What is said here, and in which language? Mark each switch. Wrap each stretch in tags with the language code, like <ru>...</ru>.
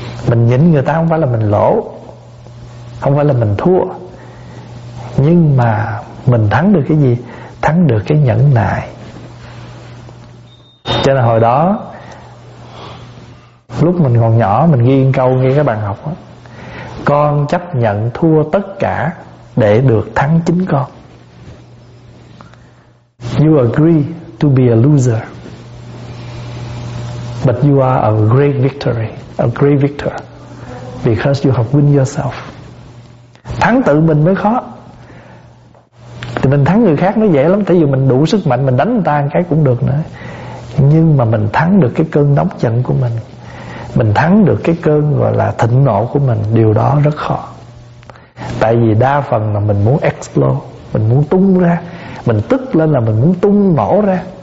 <vi>Mình nhịn người ta không phải là mình lỗ, không phải là mình thua, nhưng mà mình thắng được cái gì? Thắng được cái nhẫn nại. Cho nên hồi đó lúc mình còn nhỏ, mình ghi câu nghe các bạn học đó, con chấp nhận thua tất cả để được thắng chính con.</vi> <en>You agree to be a loser, but you are a great victory, a great victor, because you have win yourself.</en> <vi>Thắng tự mình mới khó. Thì mình thắng người khác nó dễ lắm, tại vì mình đủ sức mạnh, mình đánh người ta cái cũng được nữa. Nhưng mà mình thắng được cái cơn nóng giận của mình, mình thắng được cái cơn gọi là thịnh nộ của mình, điều đó rất khó. Tại vì đa phần là mình muốn explode, mình muốn tung ra, mình tức lên là mình muốn tung nổ ra.</vi>